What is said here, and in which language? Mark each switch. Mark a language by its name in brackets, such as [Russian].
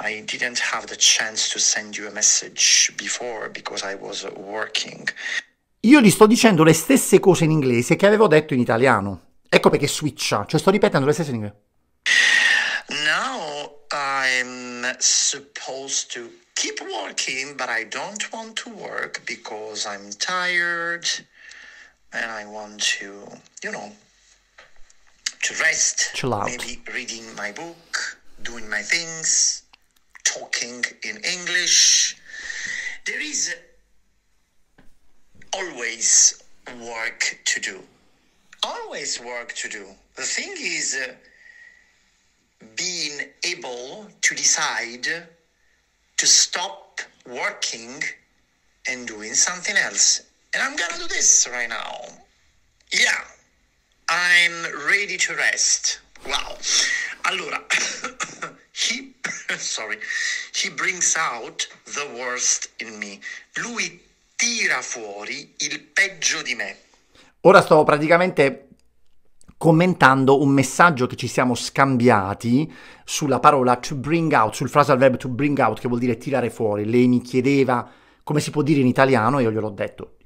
[English] I didn't have the chance to send you a message before because I was working. [Italian] Io gli sto dicendo le stesse cose in inglese che avevo detto in italiano. Ecco perché switcha, cioè sto ripetendo le stesse in inglese. [English] Now I'm supposed to keep working, but I don't want to work because I'm tired and I want to, to rest, Chill out. maybe reading my book. Doing my things, talking in English. There is always work to do. Always work to do. The thing is being able to decide to stop working and doing something else. And I'm gonna do this right now. Yeah, I'm ready to rest. Wow. [Italian] Allora, [English] he brings out the worst in me. [Italian] Lui tira fuori il peggio di me. Ora sto praticamente commentando un messaggio che ci siamo scambiati sulla parola [English] to bring out, [Italian] sul [English] phrasal verb to bring out, [Italian] che vuol dire tirare fuori. Lei mi chiedeva come si può dire in italiano e io gliel'ho detto.